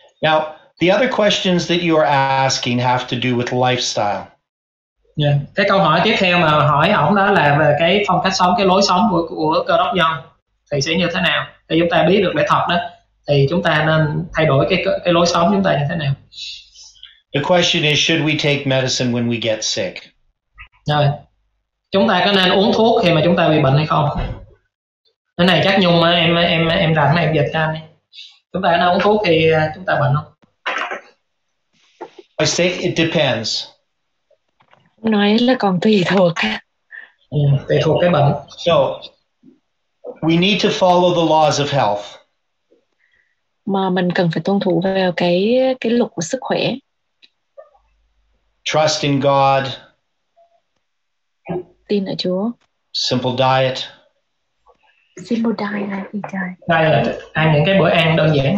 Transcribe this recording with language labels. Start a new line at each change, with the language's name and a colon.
English: Now, the other questions that you are asking have to do with lifestyle. Yeah.
Vietnamese: Cái câu hỏi tiếp theo mà hỏi ổng đó là về cái phong cách sống, cái lối sống của Cơ Đốc nhân thì sẽ như thế nào? Thì chúng ta biết được lẽ thật đó, thì chúng ta nên thay đổi cái lối sống chúng ta như thế nào?
English: The question is, should we take medicine when we get sick?
Vietnamese: Rồi. Chúng ta có nên uống thuốc khi mà chúng ta bị bệnh hay không? Cái này chắc Nhung em rảnh này, em dịch ra đi. Chúng ta có nên uống thuốc khi chúng ta bệnh không?
English: I say it depends.
Vietnamese: Nói là còn tùy thuộc. Tùy thuộc cái bệnh.
English: So, we need to follow the laws of health.
Vietnamese: Mà mình cần phải tuân thủ vào cái luật của sức khỏe.
English: Trust in God.
Vietnamese: Tin ở Chúa.
English: Simple diet. Simple diet. Diet.
Vietnamese: Ăn những cái bữa ăn đơn giản